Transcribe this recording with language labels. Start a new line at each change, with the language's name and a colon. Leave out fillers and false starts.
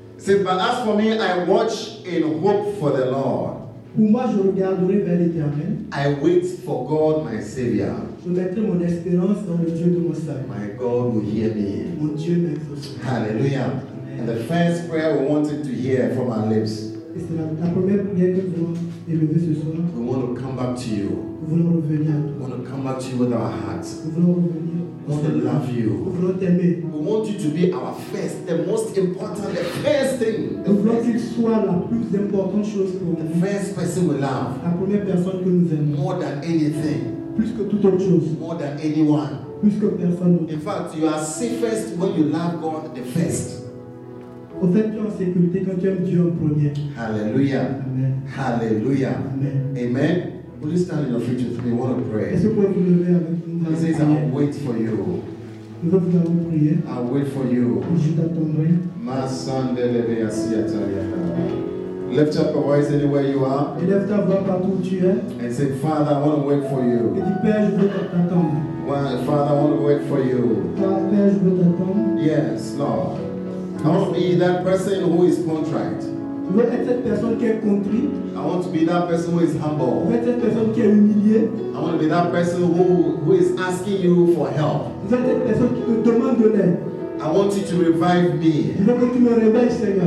English: But as for me, I watch in hope for the Lord.
French: Pour moi, je regarderai vers l'Éternel.
English: I wait for God, my Savior.
French: Je mettrai mon espérance dans le Dieu de mon salut.
English: My God will hear me.
French: Mon Dieu m'exaucera.
English: Hallelujah. Amen. And the first prayer we wanted to hear from our lips.
French: Et c'est la première prière que nous voulons élever ce soir.
English: We want to come back to you.
French: Nous voulons revenir à toi.
English: We want to come back to you with our hearts.
French: Nous voulons revenir.
English: We want to love you.
French: Nous voulons t'aimer.
English: We want you to be our first, the most important, the first thing.
French: Nous voulons qu'il soit la plus importante chose pour nous.
English: The first person we love.
French: La première personne que nous aimons.
English: More than anything.
French: Plus que toute autre chose.
English: More than anyone.
French: Plus que personne d'autre.
English: In fact, you are safest when you love God the first.
French: Au fait, tu es en sécurité quand tu aimes Dieu en premier.
English: Hallelujah. Amen. Hallelujah. Amen. Amen. Will you stand in your feet with me? I want to pray.
French: Est-ce que vous pouvez lever avec nous?
English: He says, I'll wait for you.
French: Nous allons vous prier.
English: I'll wait for you.
French: Je t'attendrai. Ma sande leve asiatalia.
English: Lift up your voice anywhere you are.
French: Élève ta voix partout où tu es.
English: And say, Father, I want to wait for you.
French: Et dis, Père, je veux t'attendre.
English: Well, Father, I want to wait for you.
French: Père, je veux t'attendre.
English: Yes, Lord. I want to be that person who is contrite.
French: Je veux être cette personne qui est contrite.
English: I want to be that person who is humble.
French: Je veux être cette personne qui est humiliée.
English: I want to be that person who is asking you for help.
French: Je veux être cette personne qui te demande de l'aide.
English: I want you to revive me.
French: Je veux que tu me réveilles, Seigneur.